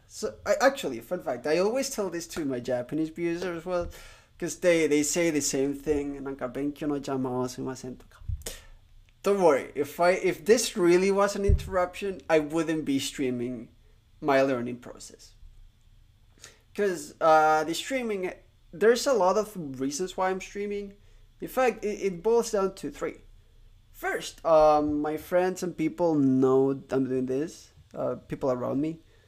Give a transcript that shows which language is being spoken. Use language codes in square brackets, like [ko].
[en] So, I actually, fun fact, I always tell this to my Japanese viewers as well, because they say the same thing. [ja] なんか勉強の邪魔をすいませんとか。 [en] Don't worry. If this really was an interruption, I wouldn't be streaming my learning process. Because the streaming, there's a lot of reasons why I'm streaming. In fact, it boils down to three. First, my friends and people know I'm doing this. People around me.